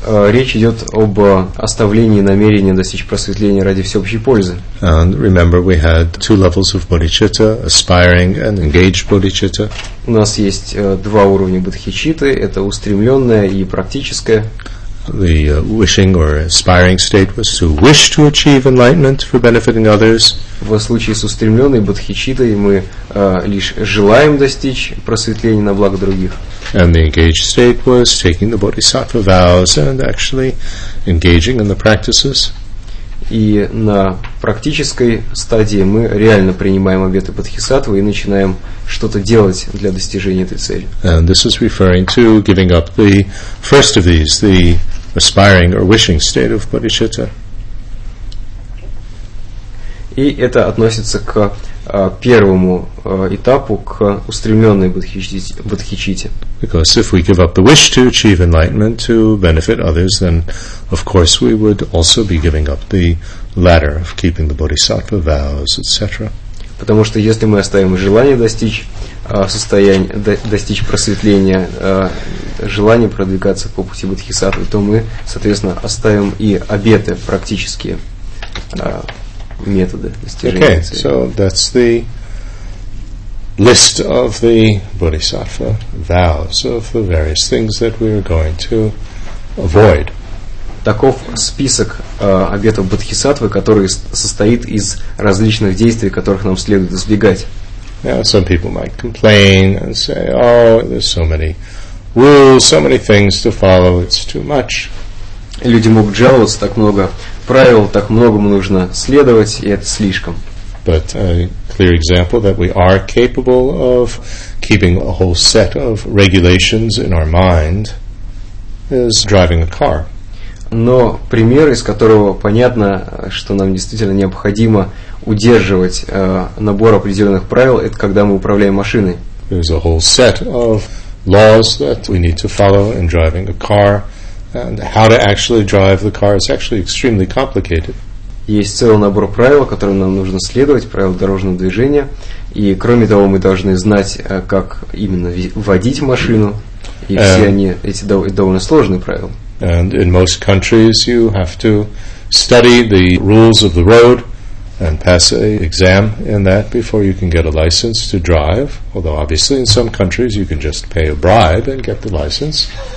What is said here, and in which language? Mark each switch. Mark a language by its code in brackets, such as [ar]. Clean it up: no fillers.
[ru] Речь идет об оставлении намерения достичь просветления ради всеобщей пользы. [en] And remember, we had two levels of bodhicitta, aspiring and engaged bodhicitta. [ru] У нас есть два уровня бодхичитты, это устремленное и практическое. [en] the wishing or aspiring state was to wish to achieve enlightenment for benefiting others. [ru] В случае с устремленной бодхичиттой мы лишь желаем достичь просветления на благо других. [en] And the engaged state was taking the bodhisattva vows and actually engaging in the practices. [ru] И на практической стадии мы реально принимаем обеты бодхисаттвы и начинаем что-то делать для достижения этой цели. [en] And this is referring to giving up the first of these, the aspiring or wishing state of bodhicitta. [ru] И это относится к первому этапу, к устремленной бодхичитте. [en] Because if we give up the wish to achieve enlightenment to benefit others, then of course we would also be giving up the latter of keeping the bodhisattva vows, etc. [ru] Потому что если мы оставим желание достичь состояния, достичь просветления, желание продвигаться по пути бодхисаттвы, то мы, соответственно, оставим и обеты практические. [en] Okay, so that's the list of the bodhisattva vows of the various things that we are going to avoid. [ru] Таков список обетов бодхисаттвы, который состоит из различных действий, которых нам следует избегать. [en] Now, some people might complain and say, "Oh, there's so many rules, so many things to follow. It's too much." [ru] Люди могут жаловаться, так много правил, так многому нужно следовать, и это слишком. [en] But a clear example that we are capable of keeping a whole set of regulations in our mind is driving a car. [ru] Но пример, из которого понятно, что нам действительно необходимо удерживать набор определенных правил, это когда мы управляем машиной. [en] There's a whole set of laws that we need to follow in driving a car. And how to actually drive the car is actually extremely complicated. [ru] Есть целый набор правил, которым нам нужно следовать, правил дорожного движения. И кроме того, мы должны знать, как именно водить машину. И все они, эти довольно сложные правила. [en] And in most countries, you have to study the rules of the road and pass an exam in that before you can get a license to drive. Although, obviously, in some countries, you can just pay a bribe and get the license.